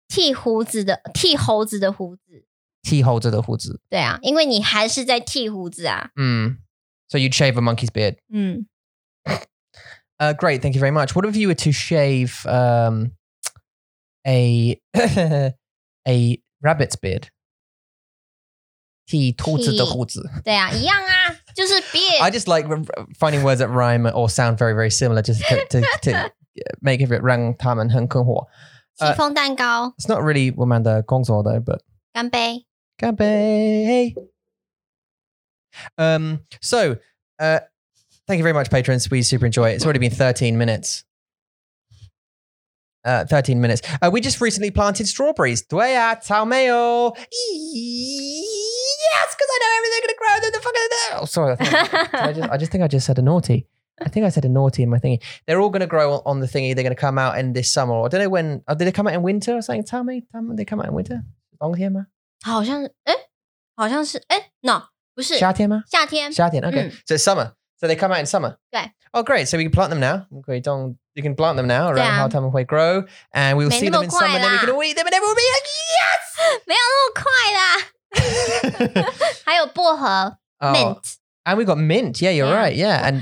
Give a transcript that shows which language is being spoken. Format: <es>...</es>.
<zh>剃胡子的剃猴子的胡子剃猴子的胡子对啊因为你还是在剃胡子啊</zh> <en>So you'd shave a monkey's beard Great, thank you very much What if you were to shave a rabbit's beard</en> <zh>剃兔子的胡子对啊一样啊就是 beard</zh> <en>I just like finding words that rhyme or sound very very similar just to make it</en> <zh>让他们很困惑戚风蛋糕</zh> <en>It's not really</en> <zh>我们的工作</zh> <en>though but</en> <zh>干杯干杯</zh> <en>So thank you very much patrons we super enjoy it it's already been 13 minutes we just recently planted strawberries</en> <zh>对啊草莓哦</zh> <en>Yes because I know everything's gonna grow the fuck oh, sorry I just said a naughty I think I said a naughty in my thingy. They're all going to grow on the thingy. They're going to come out in this summer. I don't know when. Oh, did they come out in winter or something? Tell me, they come out in winter?</en> <zh>冬天吗好像是好像是</zh> <en>No,</en> <zh>不是夏天吗夏天</zh> <en>夏天 okay. So it's summer. So they come out in summer.</en> <zh>对</zh> <en>Oh, great. So we can plant them now. You can plant them now around how time will grow. And we will see them in summer. Then we can eat them and everyone will be like, yes!</en> <zh>没有那么快啦还有薄荷 mint.</zh> <en>And we got mint. Yeah, you're right. Yeah. And</en>